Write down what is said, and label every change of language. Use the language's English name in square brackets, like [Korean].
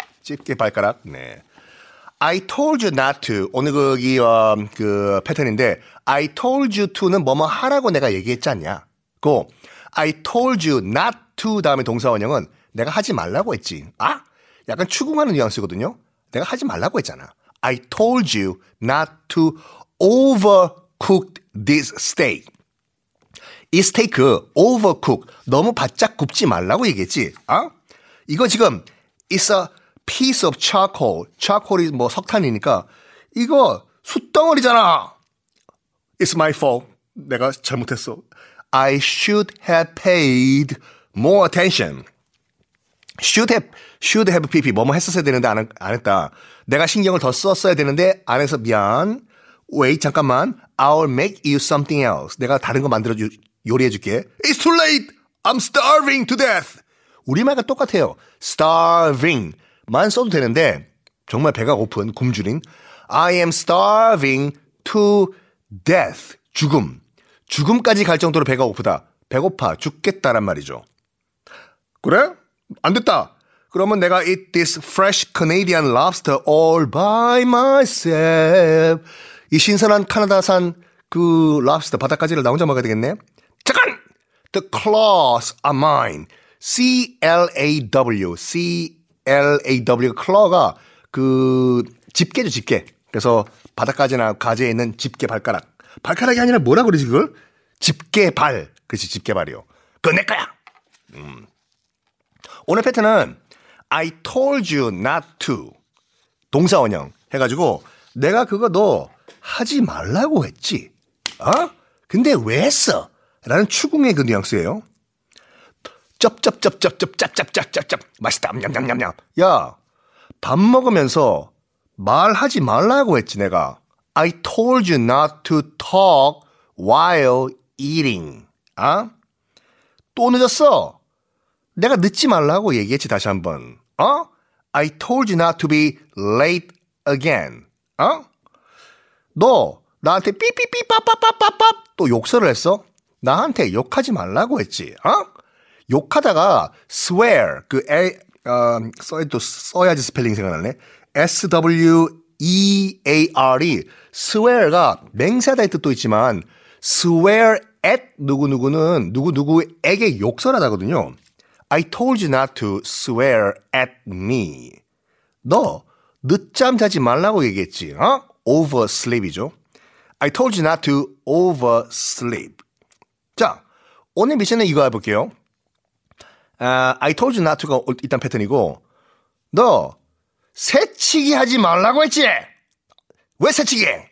[Korean] 집게 발가락. 네. [English] I told you not to. [Korean] 오늘 거기, 그 패턴인데, [English] I told you to [Korean] 는 뭐뭐 하라고 내가 얘기했지 않냐? 고, [English] I told you not to [Korean] 다음에 동사원형은 내가 하지 말라고 했지. 아? 약간 추궁하는 뉘앙스거든요? 내가 하지 말라고 했잖아. [English] I told you not to overcook this steak. [Korean] 이 스테이크, overcook, 너무 바짝 굽지 말라고 얘기했지. 아? 이거 지금, [English] it's a piece of charcoal. [Korean] charcoal이 뭐 석탄이니까, 이거 숯덩어리잖아. [English] It's my fault. [Korean] 내가 잘못했어. [English] I should have paid more attention. Should have PP. [Korean] 뭐뭐 했었어야 되는데 안 했다. 내가 신경을 더 썼어야 되는데 안 해서 미안. [English] Wait, [Korean] 잠깐만. [English] I'll make you something else. [Korean] 내가 다른 거 만들어 요리해 줄게. [English] It's too late. I'm starving to death. [Korean] 우리말과 똑같아요. Starving만 써도 되는데 정말 배가 고픈 굶주린. [English] I am starving to death. [Korean] 죽음. 죽음까지 갈 정도로 배가 고프다. 배고파 죽겠다란 말이죠. 그래? 안 됐다. 그러면 내가 [English] eat this fresh Canadian lobster all by myself. [Korean] 이 신선한 캐나다산 그 랍스터 바닷가지를 나 혼자 먹어야 되겠네. 잠깐! [English] The claws are mine. C-L-A-W. [Korean] C-L-A-W. 클로가 그 집게죠, 집게. 그래서 바닷가지나 가지에 있는 집게 발가락. 발가락이 아니라 뭐라 그러지, 그걸? 집게 발. 그렇지, 집게 발이요. 그건 내 거야! 오늘 패턴은 [English] I told you not to. [Korean] 동사원형 해가지고 내가 그거 너 하지 말라고 했지. 어? 근데 왜 했어? 라는 추궁의 그 뉘앙스예요. 쩝쩝쩝쩝쩝쩝쩝쩝쩝쩝 맛있다. 냠냠냠냠. 야, 밥 먹으면서 말하지 말라고 했지 내가. [English] I told you not to talk while eating. [Korean] 아? 또 늦었어. 내가 늦지 말라고 얘기했지 다시 한번. 어? [English] I told you not to be late again. [Korean] 어? 너 나한테 삐삐삐 빠빠빠빠빠 또 욕설을 했어? 나한테 욕하지 말라고 했지. 어? 욕하다가 swear 그 a 써도 써야지 스펠링 생각나네. S W E A R E swear가 맹세하다의 뜻도 있지만 swear at 누구누구는 누구누구에게 욕설하다거든요. [English] I told you not to swear at me. [Korean] 너 늦잠 자지 말라고 얘기했지. [English] 어? oversleep이죠. I told you not to oversleep. [Korean] 자, 오늘 미션은 이거 해볼게요. [English] I told you not to [Korean] 가 일단 패턴이고 너 새치기 하지 말라고 했지? 왜 새치기?